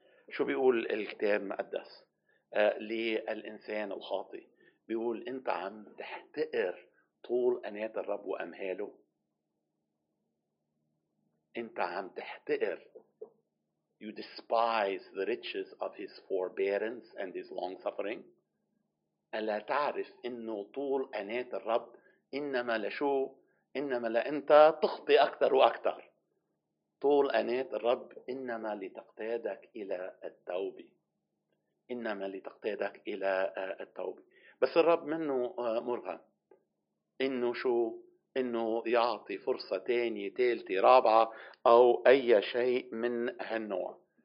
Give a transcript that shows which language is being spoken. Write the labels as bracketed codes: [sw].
[ar] شو بيقول الكتاب المقدس للإنسان الخاطي؟ بيقول أنت عم تحتقر طول أنات الرب وأمهاله، أنت عم تحتقر. [en] You despise the riches of his forbearance and his long suffering. [ar] ألا تعرف إنه طول أنات الرب إنما لشو؟ إنما لأنت تخطي أكثر وأكثر. طول أنات الرب إنما لتقتادك إلى التوبة. إنما لتقتادك إلى التوبة. بس الرب منه مرغم إنه شو؟ إنه يعطي فرصة تانية تالتة رابعة أو أي شيء من هالنوع.